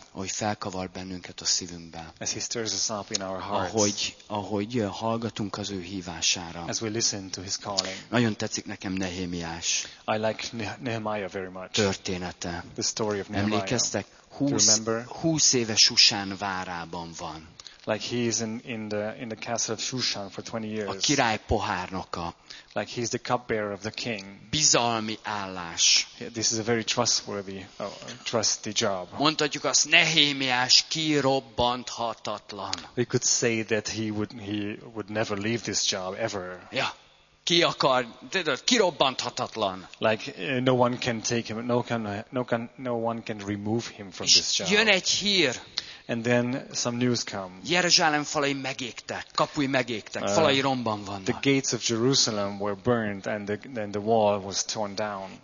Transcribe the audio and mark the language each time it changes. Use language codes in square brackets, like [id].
[hu] Hogy felkavar bennünket a szívünkbe. [en] As he stirs us up in our hearts. [hu] Ahogy hallgatunk az ő hívására. [en] As we listen to his calling. [hu] Nagyon tetszik nekem Nehémiás. [en] I like Nehemiah very much. [hu] Története. [en] The story of Nehemiah. [hu] Emlékeztek, 20 éve Susán várában van. [en] like he is in the castle of Shushan for 20 years. [hu] A király pohárnoka. [en] Like he's the cupbearer of the king. [hu] Bizalmi állás. [en] Yeah, this is a very trustworthy, trusty job. [hu] Mondhatjuk azt, Nehémiás kirobbanthatatlan. [en] We could say that he would never leave this job ever. [hu] Yeah. Ki akar, tudod, kirobbanthatatlan. [en] Like no one can take him, no one can remove him from this job. [hu] Jön egy hír. [en] And then some news comes. [hu] Jeruzsálem falai megégtek, kapui megégtek, falai romban vannak. [en] The gates of Jerusalem were burned and the wall was torn down.